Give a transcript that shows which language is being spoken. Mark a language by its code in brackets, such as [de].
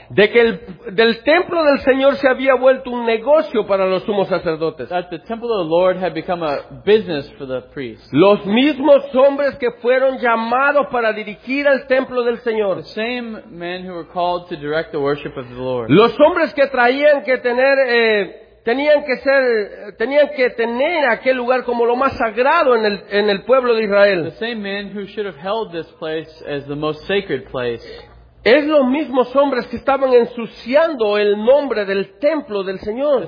[es] De que del templo del Señor se había vuelto un negocio para los sumos sacerdotes. [en] That the temple of the Lord had become a business for the priests. [es] Los mismos hombres que fueron llamados para dirigir el templo del Señor. [en] The same men who were called to direct the worship of the Lord. [es] Los hombres que traían que tener tenían que tener aquel lugar como lo más sagrado en el pueblo de Israel. [en] The same men who should have held this place as the most sacred place. [es] Es los mismos hombres que estaban ensuciando el nombre del templo del Señor.